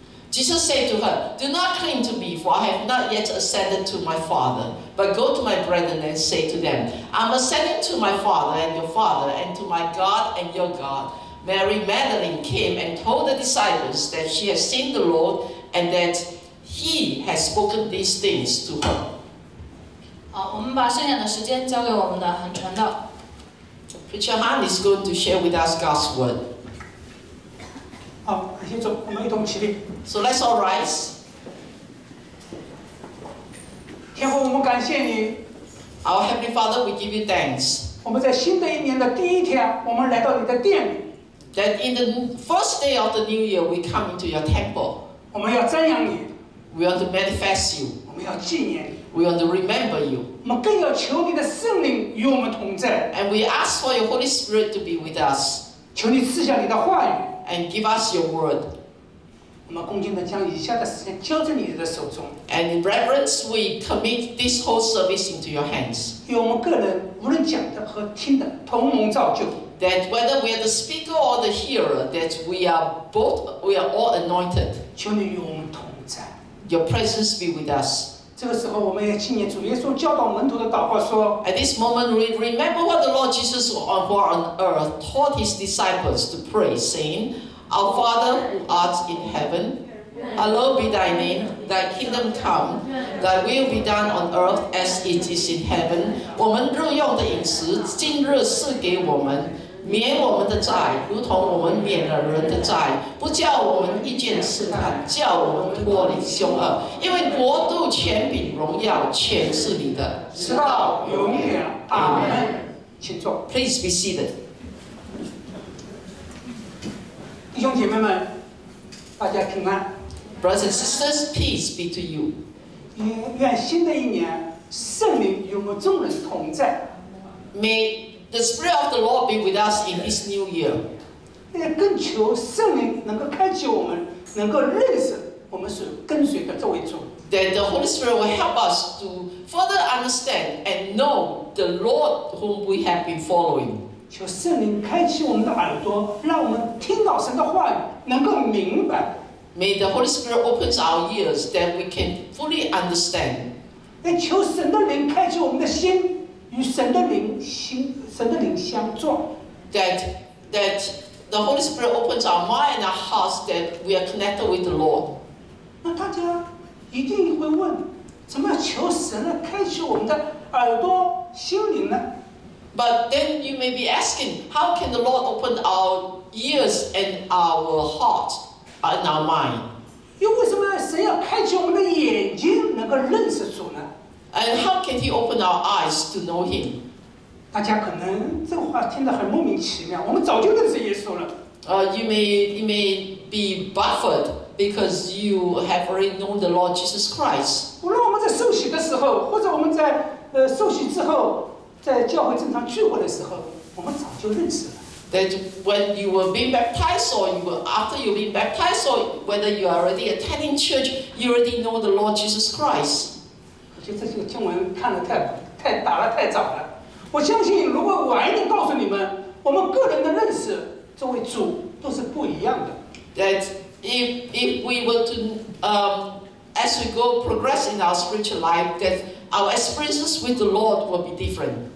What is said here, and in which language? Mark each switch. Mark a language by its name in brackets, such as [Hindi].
[English] Jesus said to her, "Do not cling to me, for I have not yet ascended to my Father. But go to my brethren and say to them, I am ascending to my Father and your Father, and to my God and your God." Mary Magdalene came and told the disciples that she had seen the Lord and that he had spoken these things to her. [Chinese] 好，我们把剩下的时间交给我们的恒传道。 [English] Preacher Han is going to share with us God's word. [Chinese] 好，感谢主，我们一同起立。 [English] So let's all rise. [Chinese] 天父，我们感谢你。 [English] Our Heavenly Father, we give you thanks. [Chinese] 我们在新的一年的第一天，我们来到你的殿里。 [English] That in the first day of the new year, we come into your temple. [Chinese] 我们要瞻仰你。 [English] We want to manifest you. [Chinese] 我们要纪念你。 [English] We want to remember you. [Chinese] 我们更要求你的圣灵与我们同在。 [English] And we ask for your Holy Spirit to be with us. [Chinese] 求你赐下你的话语。 [English] And give us your word. [Chinese] 我们恭敬地将以下的时间交在你的手中。 [English] And in reverence, we commit this whole service into your hands. [Chinese] 与我们个人无论讲的和听的同蒙造就。 [English] That whether we are the speaker or the hearer, that we are all anointed. [Chinese] 求你与我们同在。 [English] Your presence be with us. [Chinese] 这个时候，我们也纪念主耶稣教导门徒的祷告说。 [English] At this moment, we remember what the Lord Jesus on earth taught his disciples to pray, saying. Our Father who art in heaven, hallowed be thy name, thy kingdom come, thy will be done on earth as it is in heaven. [Chinese] 我们日用的饮食今日赐给我们，免我们的债，如同我们免了人的债，不叫我们遇见试探，叫我们脱离凶恶。因为国度、权柄、荣耀，全是你的，直到永远。阿门。请坐。 [English] Please be seated. [Chinese] 弟兄姐妹们，大家平安。 [English] Brothers and sisters, peace be to you. [Chinese] 愿新的一年圣灵与我们众人同在。 [English] May the Spirit of the Lord be with us in this new year. [Chinese] 更求圣灵能够开启我们，能够认识我们所跟随的这位主。 [English] That the Holy Spirit will help us to further understand and know the Lord whom we have been following. [Chinese] 求圣灵开启我们的耳朵，让我们听到神的话语，能够明白。 [English] May the Holy Spirit open our ears that we can fully understand. [Chinese] 求神的灵开启我们的心，与神的灵相撞。 [English] That the Holy Spirit opens our mind and hearts that we are connected with the Lord. [Chinese] 那大家一定会问，怎么求神来开启我们的耳朵、心灵呢？ [English] But then you may be asking, how can the Lord open our ears and our heart and our mind? [Chinese] 又为什么神要开启我们的眼睛，能够认识主呢？ [English] And how can He open our eyes to know Him? [Chinese] 大家可能这话听得很莫名其妙，我们早就认识耶稣了。 [English] You may be baffled because you have already known the Lord Jesus Christ. [Chinese] 无论我们在受洗的时候，或者我们在受洗之后，在教会正常聚会的时候，我们早就认识了。 [English] That when you were being baptized or you were after you being baptized or whether you are already attending church, you already know the Lord Jesus Christ. [Chinese] 我觉得这些经文看得太打得太早了。我相信，如果晚一点告诉你们，我们个人的认识，这位主都是不一样的。 [English] That if we were to as we go progress in our spiritual life, that our experiences with the Lord will be different.